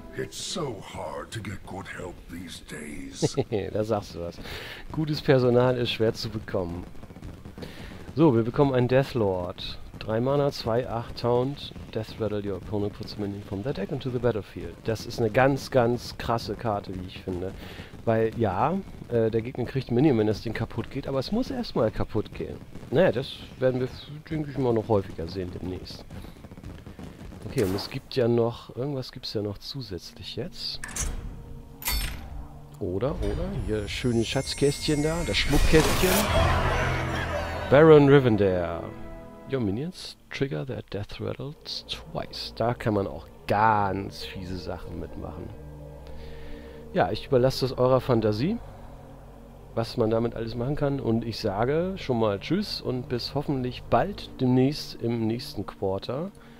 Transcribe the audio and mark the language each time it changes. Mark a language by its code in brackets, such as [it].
[en] So hard to get good help these days. [de] Da sagst du was. Gutes Personal ist schwer zu bekommen. So, wir bekommen einen Deathlord. 3 Mana, 2, 8 Taunt. [en] Deathrattle your opponent puts a minion from the deck into the battlefield. [de] Das ist eine ganz, ganz krasse Karte, wie ich finde. Weil, ja, der Gegner kriegt ein Minion, wenn das Ding kaputt geht, aber es muss erstmal kaputt gehen. Naja, das werden wir, denke ich mal, noch häufiger sehen demnächst. Okay, und es gibt ja noch... Irgendwas gibt es ja noch zusätzlich jetzt. Oder? Hier, schöne Schatzkästchen da. Das Schmuckkästchen. Baron Rivendare. [en] Your Minions trigger their death rattles twice. [de] Da kann man auch ganz fiese Sachen mitmachen. Ja, ich überlasse das eurer Fantasie. Was man damit alles machen kann. Und ich sage schon mal Tschüss und bis hoffentlich bald demnächst im nächsten Quarter.